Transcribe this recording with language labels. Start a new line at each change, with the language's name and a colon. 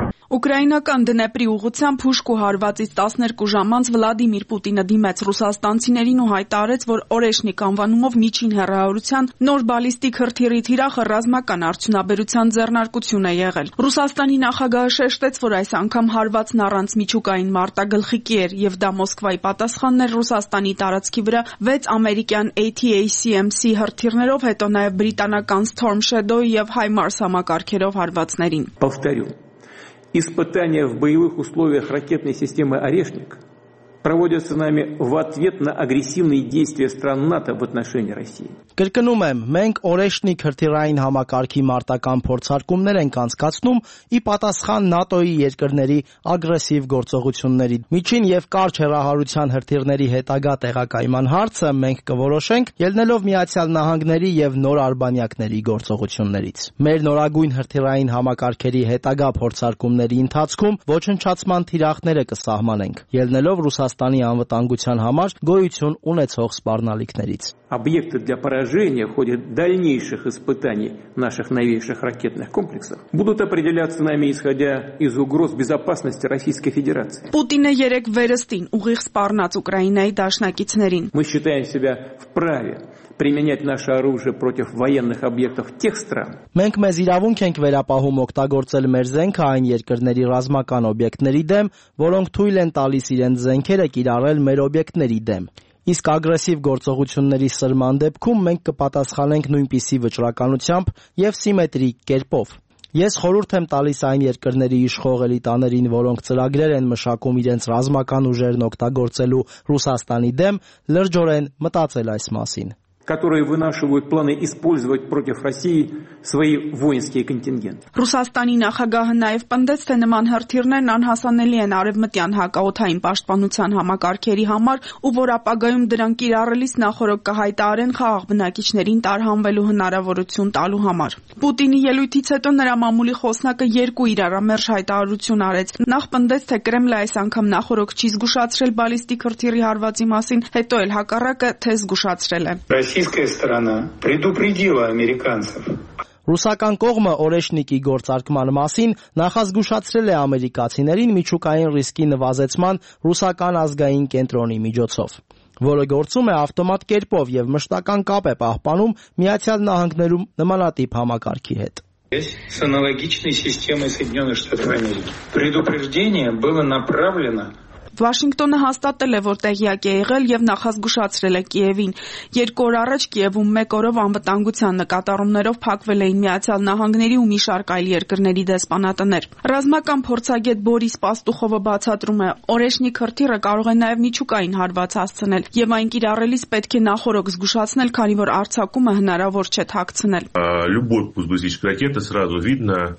Armenian: Ուկրաինական Դնեպրի ուղղությամբ ուշքու հարվածից 12 ժամ անց Վլադիմիր Պուտինը դիմեց ռուսաստանցիներին ու հայտարարեց, որ Օրեշնիկ անվանումով միջին հեռահարության նոր բալիստիկ հրթիռի թիրախը ռազմական արդյունաբերության ձեռնարկություն է եղել։ Ռուսաստանի նախագահը շեշտեց, որ այս անգամ հարվածն առանց միջուկային մարտագլխիկի էր, և դա Մոսկվայի պատասխանն էր ռուսաստանի տարածքի վրա 6 ամերիկյան ATACMC հրթիռներով, հետո նաև բրիտանական Storm Shadow և HIMARS համակարգերով հարվածներին։
Russian: Испытания в боевых условиях ракетной системы «Орешник» проводятся нами в ответ на агрессивные действия стран НАТО в отношении России.
Armenian: Կրկնում եմ, մենք Օրեշնիկ հրթիռային համակարգի մարտական փորձարկումներ ենք անցկացնում ի պատասխան ՆԱՏՕ-ի երկրների ագրեսիվ գործողությունների։ Միջին և կարճ հեռահարության հրթիռների հետագա տեղակայման հարցը մենք կորոշենք ելնելով Միացյալ Նահանգների և Նոր Արբանյակների գործողություններից։ Մեր նորագույն հրթիռային համակարգերի հետագա փորձարկումների ընթացքում ոչնչացման թիրախները կսահմանենք, ելնելով Ռուսաստանի անվտանգության համար գոյություն ունեցող սպառնալիքներից։
Russian: Объекты для поражения в ходе дальнейших испытаний наших новейших ракетных комплексов будут определяться нами, исходя из угроз безопасности Российской Федерации.
Armenian: Путина 3 վերստին ուղիղ սպառնաց Ուկրաինայի դաշնակիցներին.
Russian: Мы считаем себя вправе применять наше оружие против военных объектов тех стран.
Armenian: Մենք մեզ իրավունք ենք վերապահում օգտագործել մեր զենքը այն երկրների ռազմական օբյեկտների դեմ, որոնք թույլ են տալիս իրենց զենքերը կիրառել մեր օբյեկտների դեմ։ Իսկ ագրեսիվ գործողությունների սրման դեպքում մենք կպատասխանենք նույնպիսի վճռականությամբ և սիմետրիկ կերպով։ Ես խորհուրդ եմ տալիս այն երկրների իշխող էլիտաներին, որոնք ծրագրեր են մշակում իրենց ռազմական ուժերն օգտագործելու Ռուսաստանի դեմ, լրջորեն մտածել այս մասին։
Russian: которые вынашивают планы использовать против России свои воинские контингенты.
Armenian: Ռուսաստանի նախագահը նաև պնդեց, թե նման հրթիռներն անհասանելի են արևմտյան հակաօդային պաշտպանության համակարգերի համար, ու որ ապագայում դրան կիրառելիս նախորդ կհայտարարեն խաղաղ բնակիչներին տարհանվելու հնարավորություն տալու համար։ Պուտինի ելույթից հետո նրա մամուլի խոսնակը երկու իրարամերժ հայտարարություն արեց։ Նախ պնդեց, թե Կրեմլը այս անգամ նախորդ չի զգուշացրել բալիստիկ հրթիռի հարվածի մասին, հետո էլ հակառակը թե զգուշացրել է։
Russian: Российская сторона предупредила американцев.
Armenian: Ռուսական կողմը Օրեշնիկի գործարկման մասին նախազգուշացրել է ամերիկացիներին միջուկային ռիսկի նվազեցման ռուսական ազգային կենտրոնի միջոցով, որը գործում է ավտոմատ կերպով և մշտական կապ է պահպանում Միացյալ Նահանգներում նմանատիպ համակարգի հետ։
Russian: С аналогичной системой Соединённых Штатов Америки. Предупреждение было направлено
Armenian: Վաշինգտոնը հաստատել է, որ տեղյակ է եղել և նախազգուշացրել է Կիևին։ Երկու օր առաջ Կիևում մեկ օրով անվտանգության նկատառումներով փակվել էին Միացյալ Նահանգների ու մի շարք այլ երկրների դեսպանատներ։ Ռազմական փորձագետ Բորիս Պաստուխովը բացատրում է, Օրեշնիկ հրթիռը կարող է նաև միջուկային հարված հասցնել, և այն կիրառելիս պետք է նախորոք զգուշացնել, քանի որ արձակումը հնարավոր չէ թաքցնել։